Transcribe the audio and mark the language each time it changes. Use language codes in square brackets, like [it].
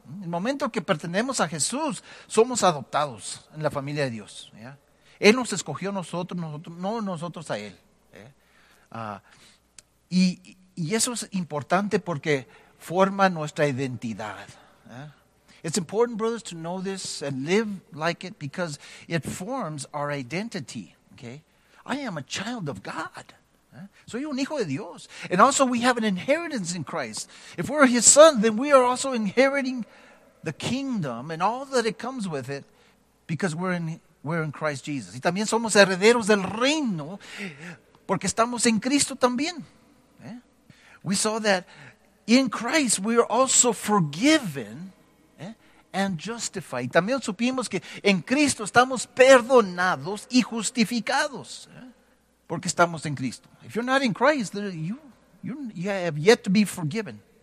[es] En el momento que pertenecemos a Jesús, somos adoptados en la familia de Dios. ¿Ya? Él nos escogió a nosotros, no nosotros a Él. Y eso es importante porque forma nuestra identidad. [en] It's important, brothers, to know this and live like it because it forms our identity. Okay, I am a child of God. [es] Soy un hijo de Dios. [en] And also we have an inheritance in Christ. If we're His son, then we are also inheriting the kingdom and all that it comes with it because we're in Christ Jesus. [es] Y también somos herederos del reino. Porque estamos en Cristo también. ¿Eh? [en] We saw that in Christ we are also forgiven and justified. [es] También supimos que en Cristo estamos perdonados y justificados. Porque estamos en Cristo. [en] If you're not in Christ, you have yet to be forgiven.